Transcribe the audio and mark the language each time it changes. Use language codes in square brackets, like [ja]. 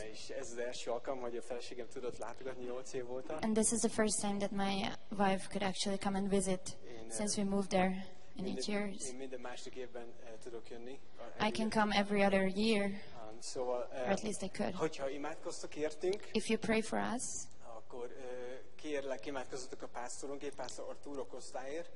[hu] És ez az első alkalom, hogy a feleségem tudott látogatni 8 év óta. [en] And this is the first time that my wife could actually come and visit since we moved there in 8 years. [hu] Én minden második évben tudok jönni. [en] I can come every other year. Or at least I could. [hu] Hogyha imádkoztok értünk. [en] If you pray for us. [hu] Akkor kérlek, imádkozzatok a pásztorunkért, Pásztor Arturo Costáért.